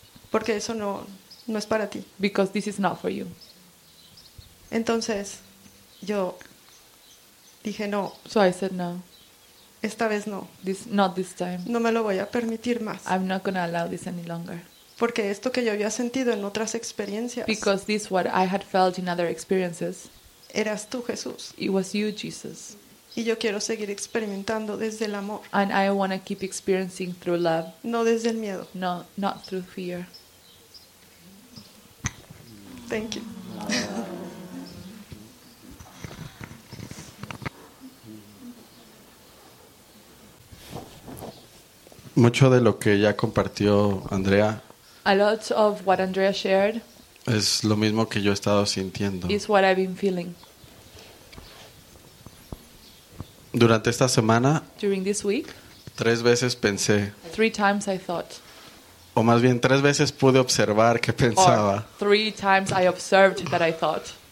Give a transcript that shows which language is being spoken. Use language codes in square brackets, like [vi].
[es] Porque eso no es para ti. [en] Because this is not for you. [es] Entonces, yo dije no. [en] So I said no. [es] Esta vez no. [en] Not this time. [es] No me lo voy a permitir más. [en] I'm not going to allow this any longer. [es] Porque esto que yo había sentido en otras experiencias. [en] Because this what I had felt in other experiences. [es] Eras tú, Jesús. [en] It was you, Jesus. [es] Y yo quiero seguir experimentando desde el amor. [en] And I want to keep experiencing through love. [es] No desde el miedo. [en] No, not through fear. Thank you. [es] Mucho de lo que ya compartió Andrea. [en] A lot of what Andrea shared. [es] Es lo mismo que yo he estado sintiendo. [en] Is what I've been feeling. [es] Durante esta semana, [en] during this week, [es] tres veces pensé. [en] Three times I thought. [es] O más bien tres veces pude observar qué pensaba. [en] Or three times I observed that I thought.